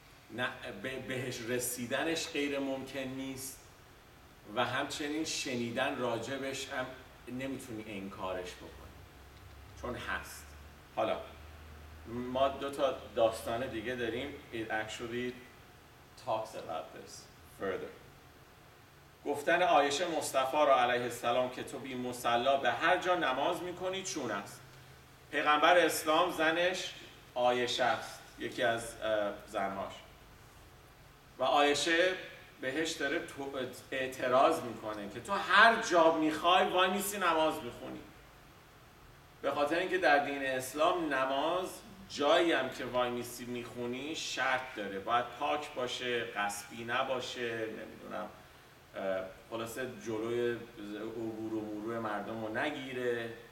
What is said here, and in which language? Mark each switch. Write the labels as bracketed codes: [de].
[fa] نه بهش رسیدنش غیر ممکن نیست و همچنین شنیدن راجبش هم نمیتونی انکارش بکنی چون هست. حالا ما دو تا داستان دیگه داریم. [en] It actually talks about this further. [fa] گفتن عایشه مصطفی را علیه السلام که تو بی مصلا به هر جا نماز میکنی چون است. پیغمبر اسلام زنش عایشه است، یکی از زنهاش، و عایشه بهش داره اعتراض میکنه که تو هر جا میخوای وایمیسی نماز میخونی، به خاطر اینکه در دین اسلام نماز جایی هم که وایمیسی میخونی شرط داره، باید پاک باشه، قصبی نباشه، نمیدونم، خلاصه جلوی عبور و مرور مردم رو نگیره.